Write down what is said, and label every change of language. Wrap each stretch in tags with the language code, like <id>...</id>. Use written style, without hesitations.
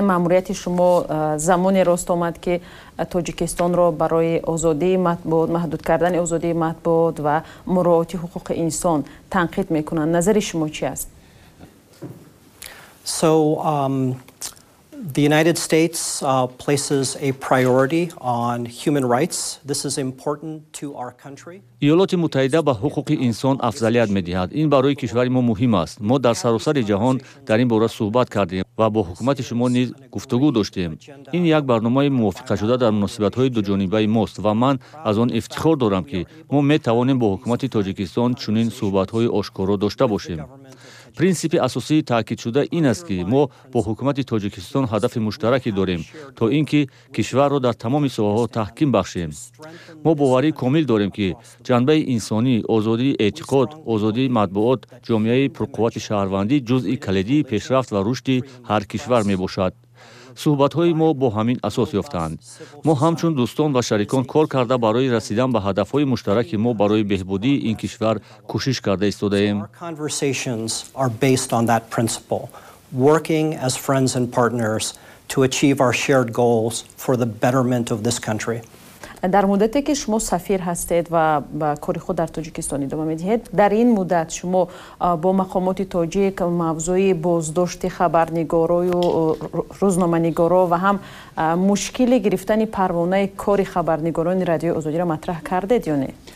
<fa>ماموریت شما زمانی راست آمد که تاجیکستان را برای آزادی مطبوعات، محدود کردن آزادی مطبوعات و مراعات حقوق انسان تنقید میکنند. نظر شما چی است؟</fa> <en>The United States places a priority on human rights. This is important to our country.</en> <fa>ایالات متحده به حقوق انسان افضلیت می‌دهد. این برای کشور ما مهم است. ما در سراسر جهان در این باره صحبت کردیم و با حکومت شما نیز گفتگو داشتیم. این یک برنامه موافقه شده در مناسبت‌های دو جانبه ماست و من از آن افتخار دارم که ما می‌توانیم با حکومت تاجیکستان چنین صحبت‌های آشکارا داشته باشیم.</fa> <tg>принципи асосии таъкидшуда ин аст ки мо бо ҳукумати тоҷикистон ҳадафи муштараке дорем, то ин ки кишварро дар тамоми соҳаҳо таҳким бахшем. Мо боварӣ комил дорем ки ҷанбаи инсонӣ, озодии эътиқод, озодии матбуот, ҷомеаи пурқувати шаҳрвандӣ ҷузъи калидии пешрафт ва рушди ҳар кишвар мебошад. Суҳбатҳои мо бо ҳамин асос ёфтанд. Мо ҳамчун дӯстон ва шарикон кор карда барои расидан ба ҳадафҳои муштараки мо барои беҳбудии ин кишвар кӯшиш карда истодаем.</tg> <en>Working as friends and partners to achieve our shared goals for the betterment of this country.</en> <tg>Дар муддате ки шумо сафир ҳастед ва ба кори худ дар Тоҷикистон идома медиҳед, дар ин муддат шумо бо мақомоти тоҷик мавзӯи боздошти хабарнигорою рӯзноманигоро ва ҳам мушкили гирифтани парвонаи кори хабарнигорони радиои Озодиро матраҳ кардед ё не?</tg>